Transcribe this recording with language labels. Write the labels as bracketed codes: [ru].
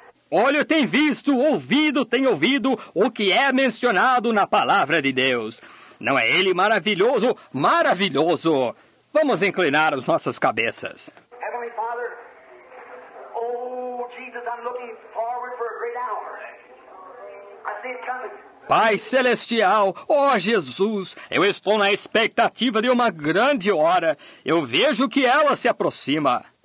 [pt] Olho tem visto, ouvido tem ouvido o que é mencionado na palavra de Deus. Não é ele maravilhoso? Maravilhoso! Vamos inclinar as nossas cabeças. [en] Heavenly Father, oh Jesus, I'm looking forward for a great hour. I see it coming. [pt] Pai Celestial, ó Jesus, eu estou na expectativa de uma grande hora. Eu vejo que ela se aproxima.